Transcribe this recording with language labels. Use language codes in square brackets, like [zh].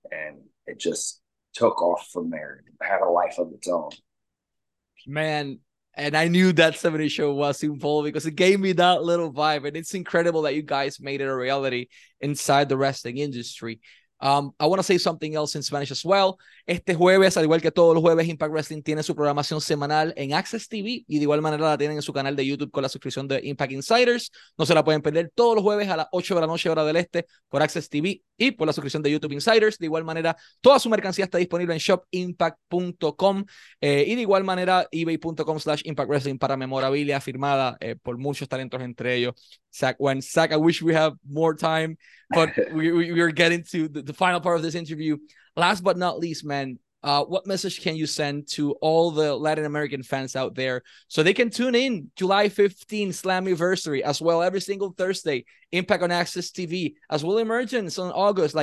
[en] And it just took off from there, had a life of its own. Man, and I knew that 70s show was involved because it gave me that little vibe, and it's incredible that you guys made it a reality inside the wrestling industry. I want to say something else in Spanish as well. [es] Este jueves, al igual que todos los jueves, Impact Wrestling tiene su programación semanal en Access TV, y de igual manera la tienen en su canal de YouTube con la suscripción de Impact Insiders. No se la pueden perder todos los jueves a las 8 de la noche, hora del este, por Access TV y por la suscripción de YouTube Insiders. De igual manera, toda su mercancía está disponible en shopimpact.com, y de igual manera, ebay.com/impactwrestling para memorabilia firmada por muchos talentos, entre ellos Zach Wentz. [en] Zach, I wish we have more time, but we are getting to the final part of this interview. Last but not least, man, what message can you send to all the Latin American fans out there so they can tune in July 15 Slammiversary, as well every single Thursday, Impact on Access TV, as well Emergence on August?